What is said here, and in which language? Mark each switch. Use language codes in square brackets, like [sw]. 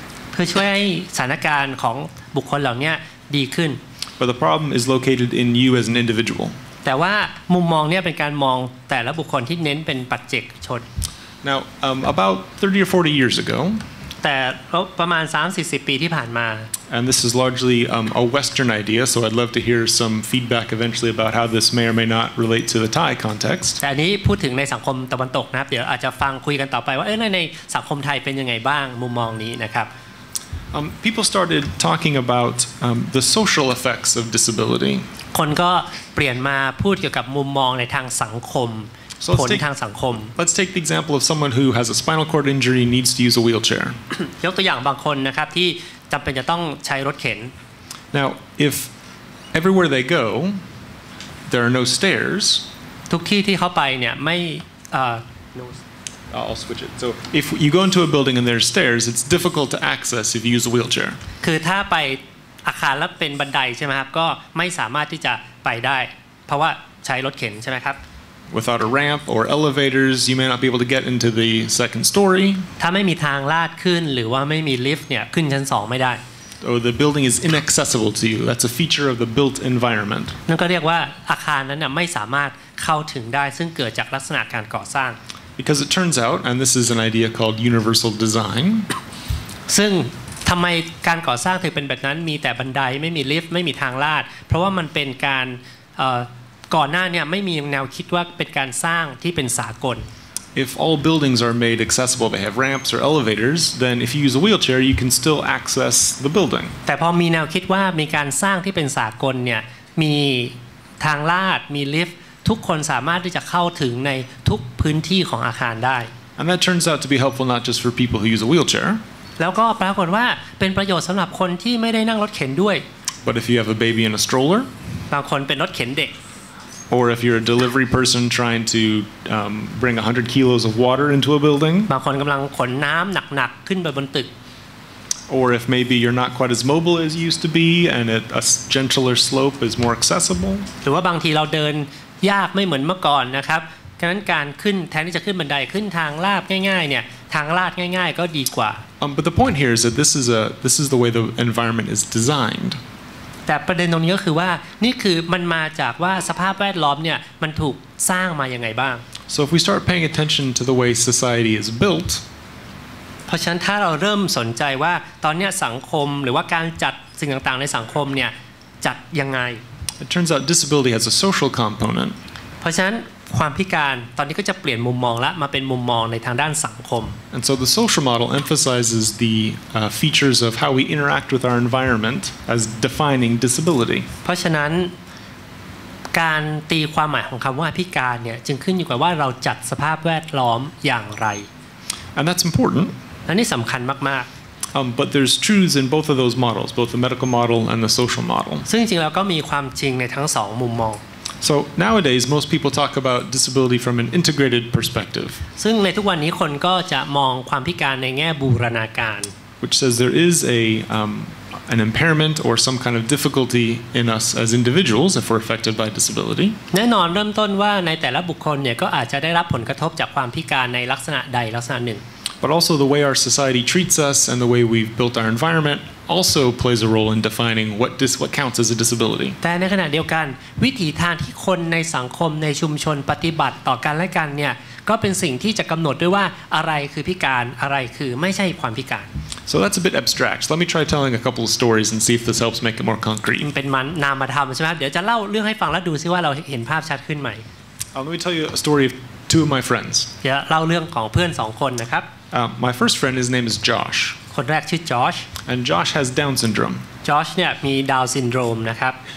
[th] เพื่อช่วยให้สถานการณ์ของบุคคลเหล่านี้ดีขึ้น [en] But the problem is located in you as an individual. [th] แต่ว่ามุมมองเนี่ยเป็นการมองแต่ละบุคคลที่เน้นเป็นปัจเจกชน [en] Now about 30 or 40 years ago [th] แต่ประมาณ 30-40 ปีที่ผ่านมา [en] And this is largely a Western idea so I'd love to hear some feedback eventually about how this may or may not relate to the Thai context [th] แต่อันนี้พูดถึงในสังคมตะวันตกนะครับเดี๋ยวอาจจะฟังคุยกันต่อไปว่าในสังคมไทยเป็นยังไงบ้างมุมมองนี้นะครับ [en] People started talking about the social effects of disability. [th] คนก็เปลี่ยนมาพูดเกี่ยวกับมุมมองในทางสังคมผลทางสังคม [en] Let's take the example of someone who has a spinal cord injury and needs to use a wheelchair. [th] ยกตัวอย่างบางคนนะครับที่จำเป็นจะต้องใช้รถเข็น [en] Now, if everywhere they go, there are no stairs. [th] ทุกที่ที่เขาไปเนี่ยไม่ [en] I'll switch it. So if you go into a building and there's stairs, it's difficult to access if you use a wheelchair. [th] คือถ้าไปอาคารแล้วเป็นบันไดใช่ไหมครับก็ไม่สามารถที่จะไปได้เพราะว่าใช้รถเข็นใช่ไหมครับ [en] Without a ramp or elevators, you may not be able to get into the second story. [th] ถ้าไม่มีทางลาดขึ้นหรือว่าไม่มีลิฟต์เนี่ยขึ้นชั้นสองไม่ได้ [en] Or the building is inaccessible to you. That's a feature of the built environment. [th] นั่นก็เรียกว่าอาคารนั้นไม่สามารถเข้าถึงได้ซึ่งเกิดจากลักษณะการก่อสร้าง [en] Because it turns out, and this is an idea called universal design. [th] ซึ่งทำไมการก่อสร้างถึงเป็นแบบนั้นมีแต่บันไดไม่มีลิฟต์ไม่มีทางลาดเพราะว่ามันเป็นการก่อนหน้าเนี่ยไม่มีแนวคิดว่าเป็นการสร้างที่เป็นสากล [en] If all buildings are made accessible, they have ramps or elevators, then if you use a wheelchair, you can still access the building. [th] แต่พอมีแนวคิดว่ามีการสร้างที่เป็นสากลเนี่ยมีทางลาดมีลิฟต์ทุกคนสามารถที่จะเข้าถึงในทุกพื้นที่ของอาคารได้ [en] And that turns out to be helpful not just for people who use a wheelchair [th] แล้วก็ปรากฏว่าเป็นประโยชน์สำหรับคนที่ไม่ได้นั่งรถเข็นด้วย [en] But if you have a baby in a stroller [th] บางคนเป็นรถเข็นเด็ก [en] Or if you're a delivery person trying to bring 100 kilos of water into a building [th] บางคนกำลังขนน้ำหนักๆขึ้นไปบนตึก [en] Or if maybe you're not quite as mobile as you used to be and a gentler slope is more accessible [th] หรือว่าบางทีเราเดินยากไม่เหมือนเมื่อก่อนนะครับฉะนั้นการขึ้นแทนที่จะขึ้นบันไดขึ้นทางลาดง่ายๆเนี่ยทางลาดง่ายๆก็ดีกว่า [en] But the point here is that this is the way the environment is designed [th] แต่ประเด็นตรงนี้ก็คือว่านี่คือมันมาจากว่าสภาพแวดล้อมเนี่ยมันถูกสร้างมายังไงบ้าง [en] So if we start paying attention to the way society is built [th] เพราะฉะนั้นถ้าเราเริ่มสนใจว่าตอนนี้สังคมหรือว่าการจัดสิ่งต่างๆในสังคมเนี่ยจัดยังไง [en] It turns out disability has a social component. [th] เพราะฉะนั้นความพิการตอนนี้ก็จะเปลี่ยนมุมมองละมาเป็นมุมมองในทางด้านสังคม [en] And so the social model emphasizes the features of how we interact with our environment as defining disability. [th] เพราะฉะนั้นการตีความหมายของคำว่าพิการเนี่ยจึงขึ้นอยู่กับว่าเราจัดสภาพแวดล้อมอย่างไร [en] And that's important. [th] อันนี้สำคัญมากๆ [en] But there's truths in both of those models, both the medical model and the social model. [th] ซึ่งจริงแล้วก็มีความจริงในทั้งสองมุมมอง [en] So nowadays, most people talk about disability from an integrated perspective. [th] ซึ่งในทุกวันนี้คนก็จะมองความพิการในแง่บูรณาการ [en] Which says there is an impairment or some kind of difficulty in us as individuals if we're affected by disability. [th] แน่นอนเริ่มต้นว่าในแต่ละบุคคลเนี่ยก็อาจจะได้รับผลกระทบจากความพิการในลักษณะใดลักษณะหนึ่ง [en] But also the way our society treats us and the way we've built our environment also plays a role in defining what counts as a disability. [th] แต่ในขณะเดียวกันวิถีทางที่คนในสังคมในชุมชนปฏิบัติต่อกันและกันเนี่ยก็เป็นสิ่งที่จะกำหนดด้วยว่าอะไรคือพิการอะไรคือไม่ใช่ความพิการ [en] So that's a bit abstract. So let me try telling a couple of stories and see if this helps make it more concrete. [th] เป็นมันนามธรรมใช่ไหมเดี๋ยวจะเล่าเรื่องให้ฟังแล้วดูซิว่าเราเห็นภาพชัดขึ้นไหม [en] Let me tell you a story of two of my friends. [th] เล่าเรื่องของเพื่อนสองคนนะครับ [en] My first friend, his name is Josh. [th] คนแรกชื่อ Josh. [en] And Josh has Down syndrome. [th] Josh เนี่ยมี Down syndrome นะครับ